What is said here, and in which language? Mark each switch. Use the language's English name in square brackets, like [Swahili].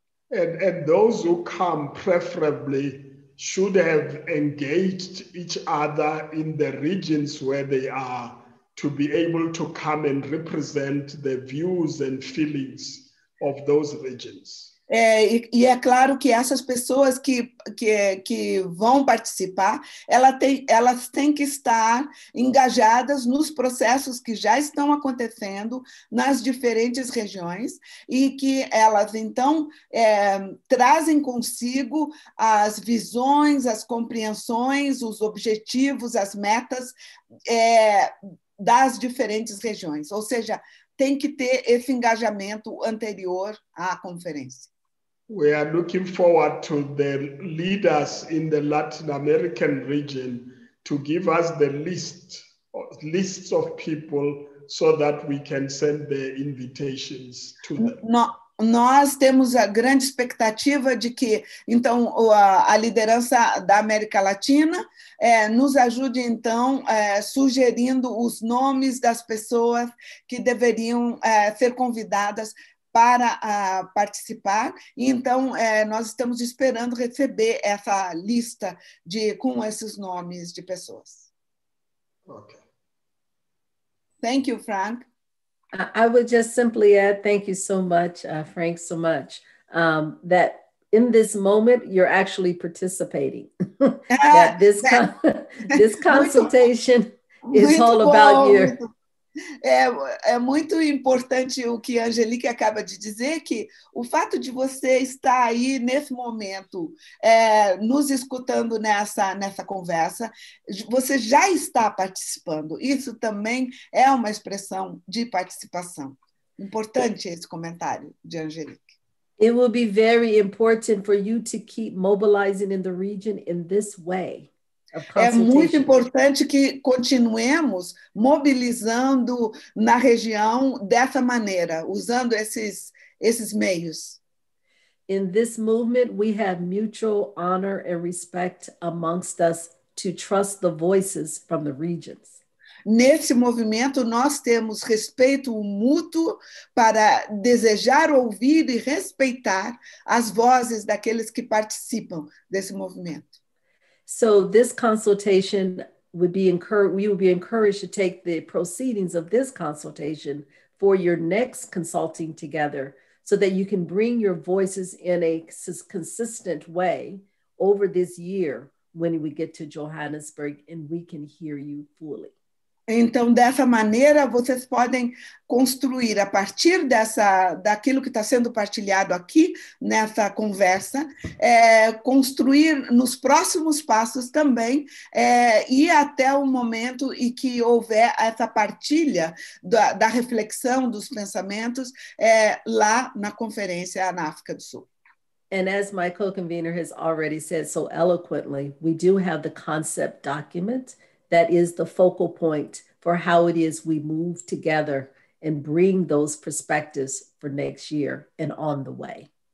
[English] And those who come preferably should have engaged each other in the regions where they are to be able to come and represent the views and feelings of those regions. [Portuguese] É claro que essas pessoas que vão participar, elas têm que estar engajadas nos processos que já estão acontecendo nas diferentes regiões e que elas, então, trazem consigo as visões, as compreensões, os objetivos, as metas das diferentes regiões. Ou seja, tem que ter esse engajamento anterior à conferência. [English] We are looking forward to the leaders in the Latin American region to give us the lists of people so that we can send the invitations to them. [Portuguese] Nós temos a grande expectativa de que, então, a liderança da América Latina nos ajude, então, sugerindo os nomes das pessoas que deveriam ser convidadas para participar. Então, nós estamos esperando receber essa lista de, com esses nomes de pessoas. [English] Ok. Thank you, Frank. I would just simply add, thank you so much, Frank, so much, that in this moment, you're actually participating. That this, this consultation is all about you. [Portuguese] É muito importante o que a Angelique acaba de dizer, que o fato de você estar aí nesse momento, nos escutando nessa conversa, você já está participando. Isso também é uma expressão de participação. Importante esse comentário de Angelique. [English] It will be very important for you to keep mobilizing in the region in this way. [Portuguese] É muito importante que continuemos mobilizando na região dessa maneira, usando esses meios. [English] In this movement, we have mutual honor and respect amongst us to trust the voices from the regions. [Portuguese] Nesse movimento, nós temos respeito mútuo para desejar ouvir e respeitar as vozes daqueles que participam desse movimento. [English] So this consultation would be we would be encouraged to take the proceedings of this consultation for your next consulting together so that you can bring your voices in a consistent way over this year when we get to Johannesburg and we can hear you fully. [Portuguese] Então, dessa maneira, vocês podem construir a partir daquilo que está sendo partilhado aqui nessa conversa, construir nos próximos passos também, ir até o momento em que houver essa partilha da reflexão dos pensamentos lá na conferência na África do Sul. [English] And as my co-convener has already said so eloquently, we do have the concept document that is the focal point for how it is we move together and bring those perspectives for next year and on the way.